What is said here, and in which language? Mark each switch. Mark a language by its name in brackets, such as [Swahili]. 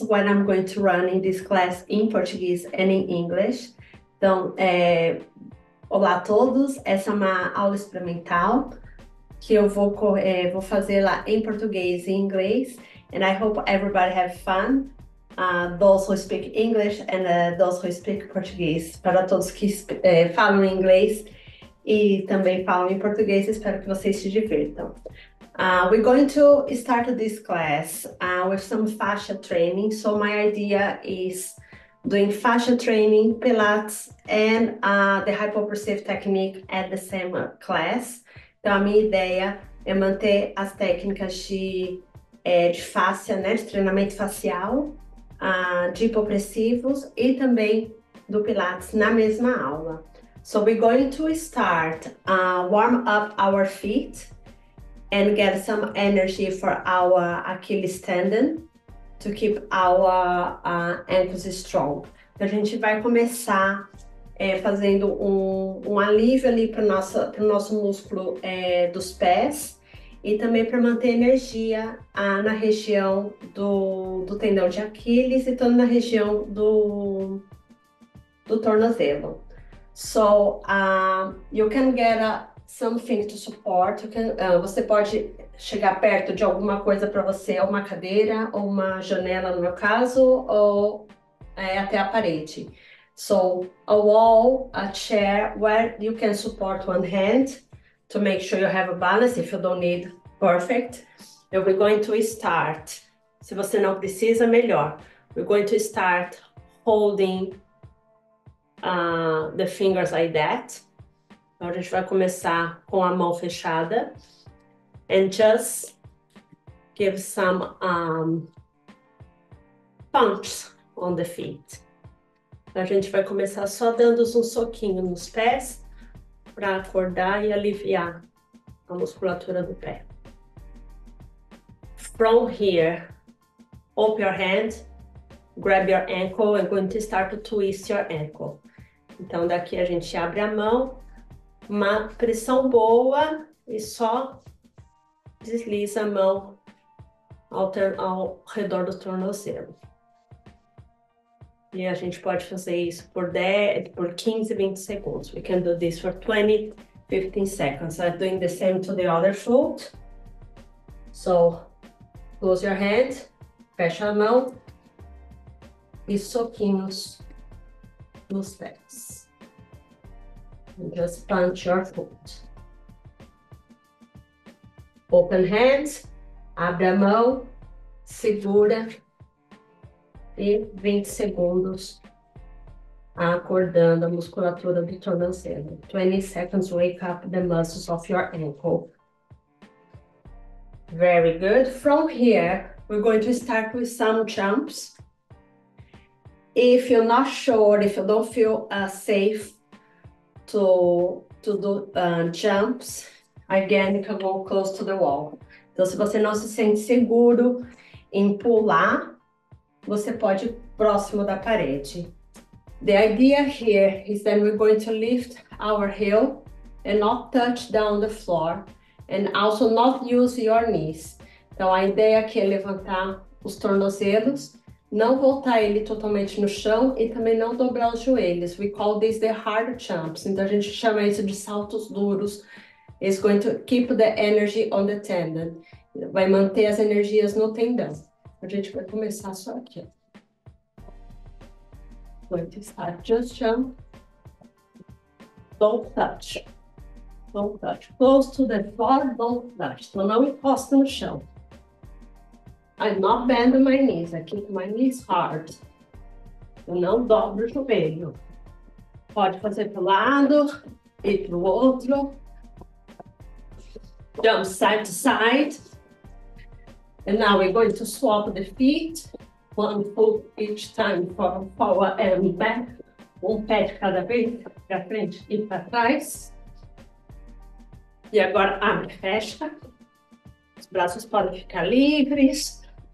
[English] What I'm going to run in this class in Portuguese and in English. [Portuguese] Então, olá a todos. Essa é uma aula experimental que eu vou fazer lá em português e inglês. [English] And I hope everybody have fun. Those who speak English and those who speak Portuguese. [Portuguese] Para todos que falam inglês e também falam em português, espero que vocês se divirtam. [English] We're going to start this class with some fascia training. So my idea is doing fascia training, Pilates, and the Hypopressive technique at the same class. [Portuguese] Então, a minha ideia é manter as técnicas de fascia, né, de treinamento facial, de hipopressivos e também do Pilates na mesma aula. [English] So we're going to start warm up our feet. And get some energy for our Achilles tendon to keep our ankles strong. [Portuguese] Então, a gente vai começar fazendo um alívio ali para o nosso músculo dos pés e também para manter energia na região do tendão de Aquiles e toda na região do tornozelo. [English] So, you can get a something to support. [Portuguese] Você pode chegar perto de alguma coisa para você, uma cadeira ou uma janela, no meu caso, ou até a parede. [English] So, a wall, a chair, where you can support one hand to make sure you have a balance if you don't need, perfect. We're going to start. [Portuguese] Se você não precisa, melhor. [English] We're going to start holding the fingers like that. [Portuguese] Então, a gente vai começar com a mão fechada. [English] And just give some pumps on the feet. [Portuguese] A gente vai começar só dando um soquinho nos pés para acordar e aliviar a musculatura do pé. [English] From here, open your hand, grab your ankle, and going to start to twist your ankle. [Portuguese] Então, daqui a gente abre a mão. Uma pressão boa e só desliza a mão ao redor do tornozelo. E a gente pode fazer isso por 10, por 15, 20 segundos. [English] We can do this for 20, 15 seconds. I'm doing the same to the other foot. So, close your hand, [Portuguese] fecha a mão e soquinhos nos pés. [English] Just punch your foot. Open hand, [Portuguese] abre a mão, segura e 20 segundos acordando a musculatura do tornozelo. [English] 20 seconds, wake up the muscles of your ankle. Very good. From here, we're going to start with some jumps. If you're not sure, if you don't feel safe, to do jumps, again, you can go close to the wall. [Portuguese] Então, se você não se sente seguro em pular, você pode ir próximo da parede. [English] The idea here is that we're going to lift our heel and not touch down the floor and also not use your knees. [Portuguese] Então, a ideia aqui é levantar os tornozelos, não voltar ele totalmente no chão e também não dobrar os joelhos. [English] We call this the hard jumps. [Portuguese] Então a gente chama isso de saltos duros. [English] It's going to keep the energy on the tendon. [Portuguese] Vai manter as energias no tendão. A gente vai começar só aqui. [English] Going to start just jump. Don't touch. Don't touch. Close to the floor, don't touch. [Portuguese] Então não encosta no chão. [English] I'm not bending my knees, I keep my knees hard. [Portuguese] Eu não dobro o joelho. Pode fazer para o lado e para o outro. [English] Jump side to side. And now we're going to swap the feet. One foot each time for forward and back. [Portuguese] Um pé de cada vez, para frente e para trás. E agora abre e fecha. Os braços podem ficar livres.